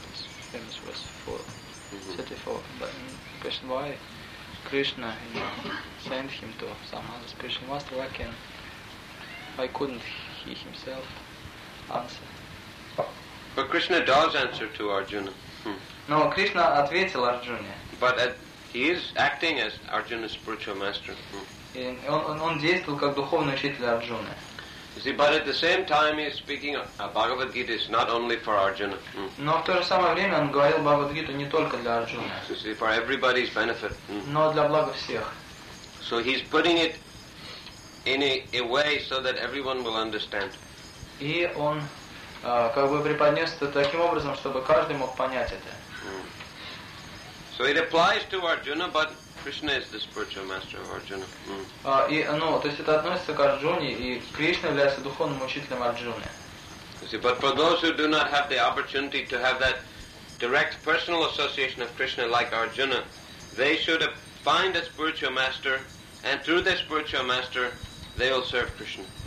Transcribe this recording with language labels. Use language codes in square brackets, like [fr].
[en] It's famous verse 34. But the question why Krishna sent him to some other spiritual master, why couldn't he himself answer? But Krishna does answer to Arjuna. [ru] No, Krishna ответил Арджуне. [en] But he is acting as Arjuna's spiritual master. [ru] Он действовал как духовный учитель Арджуны. [en] See, but at the same time he is speaking a Bhagavad Gita is not only for Arjuna. [ru] Но в то же самое время он говорил Бхагавад Гиту не только для Арджуны. [en] See, for everybody's benefit. [ru] Но для блага всех. [en] So he's putting it in a way so that everyone will understand. [ru] И он как бы преподнес это таким образом, чтобы каждый мог понять это. [en] So it applies to Arjuna, but Krishna is the spiritual master of Arjuna. [ru] То есть это относится к Арджуне, и Кришна является духовным учителем Арджуны. [en] See, but for those who do not have the opportunity to have that direct personal association of Krishna like Arjuna, they should find a spiritual master, and through the spiritual master, they will serve Krishna.